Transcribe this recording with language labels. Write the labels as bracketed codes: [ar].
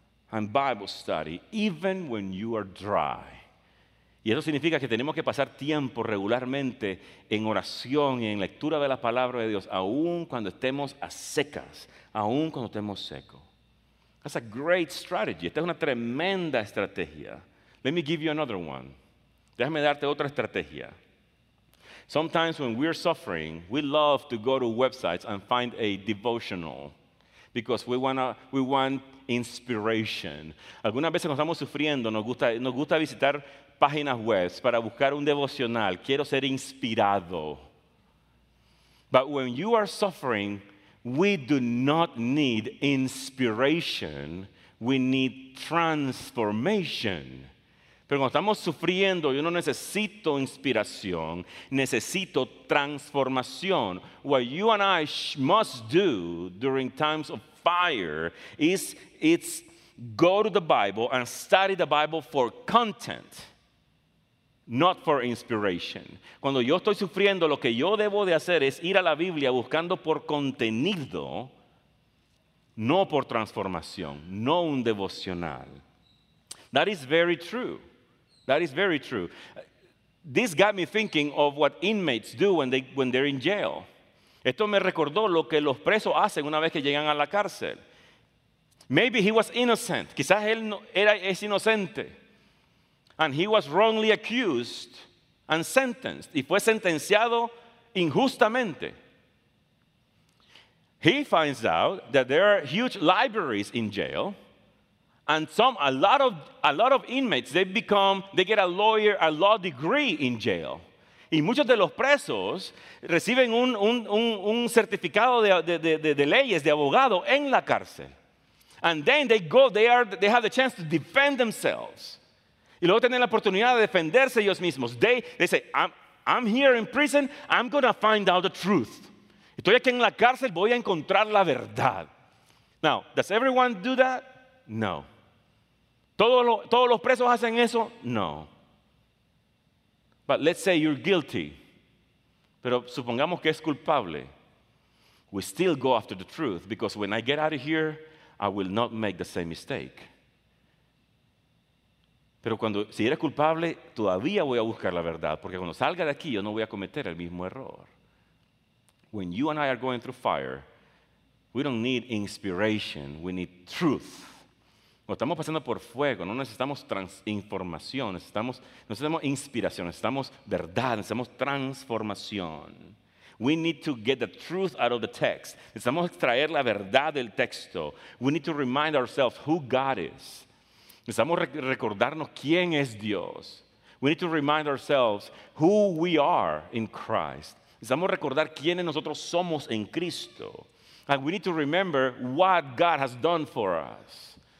[en] and Bible study even when you are dry. [es] Y eso significa que tenemos que pasar tiempo regularmente en oración y en lectura de la palabra de Dios, aun cuando estemos a secas, aun cuando estemos secos. [en] That's a great strategy. [es] Esta es una tremenda estrategia. [en] Let me give you another one. [es] Déjame darte otra estrategia. [en] Sometimes when we're suffering, we love to go to websites and find a devotional because we want inspiration. [es] Algunas veces cuando estamos sufriendo, nos gusta visitar páginas web para buscar un devocional. Quiero ser inspirado. [en] But when you are suffering, we do not need inspiration. We need transformation. [es] Pero cuando estamos sufriendo, yo no necesito inspiración, necesito transformación. [en] What you and I must do during times of fire is it's go to the Bible and study the Bible for content, not for inspiration. [es] Cuando yo estoy sufriendo, lo que yo debo de hacer es ir a la Biblia buscando por contenido, no por transformación, no un devocional. [en] That is very true. That is very true. This got me thinking of what inmates do when they're in jail. [es] Esto me recordó lo que los presos hacen una vez que llegan a la cárcel. [en] Maybe he was innocent. [es] Quizás él es inocente. [en] And he was wrongly accused and sentenced. [es] Y fue sentenciado injustamente. [en] He finds out that there are huge libraries in jail. And a lot of inmates, they get a lawyer, a law degree in jail. [es] Y muchos de los presos reciben un certificado de leyes, de abogado en la cárcel. [en] And then they have the chance to defend themselves. [es] Y luego tienen la oportunidad de defenderse ellos mismos. [en] They say, I'm here in prison, I'm going to find out the truth. [es] Estoy aquí en la cárcel, voy a encontrar la verdad. [en] Now, does everyone do that? No. [es] ¿Todos los presos hacen eso? No. [en] But let's say you're guilty. [es] Pero supongamos que es culpable. [en] We still go after the truth because when I get out of here, I will not make the same mistake. [es] Pero cuando, si eres culpable, todavía voy a buscar la verdad porque cuando salga de aquí, yo no voy a cometer el mismo error. [en] When you and I are going through fire, we don't need inspiration, we need truth. [es] O estamos pasando por fuego, no necesitamos información, necesitamos inspiración, necesitamos verdad, necesitamos transformación. [en] We need to get the truth out of the text. [es] Necesitamos extraer la verdad del texto. [en] We need to remind ourselves who God is. [es] Necesitamos recordarnos quién es Dios. [en] We need to remind ourselves who we are in Christ. [es] Necesitamos recordar quiénes nosotros somos en Cristo. [en] And we need to remember what God has done for us.